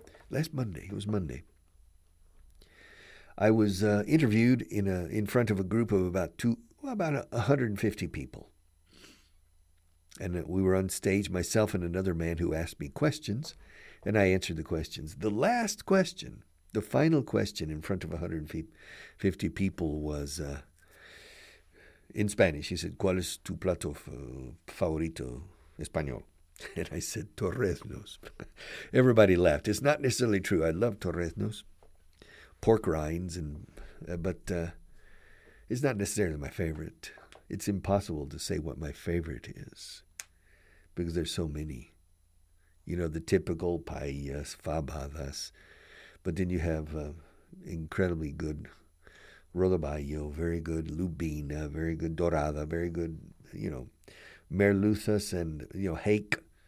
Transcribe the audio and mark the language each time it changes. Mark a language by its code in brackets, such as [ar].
[en] Last Monday. I was interviewed in front of a group of about 150 people. And we were on stage, myself and another man who asked me questions, and I answered the questions. The last question, the final question in front of 150 people was in Spanish. [es] He said, ¿Cuál es tu plato favorito español? [en] And I said, torreznos. Everybody laughed. It's not necessarily true. I love torreznos, pork rinds, but it's not necessarily my favorite. It's impossible to say what my favorite is, because there's so many. You know, the typical paellas, fabadas, but then you have incredibly good rodaballo, very good lubina, very good dorada, very good, you know, merluzas and, you know, hake.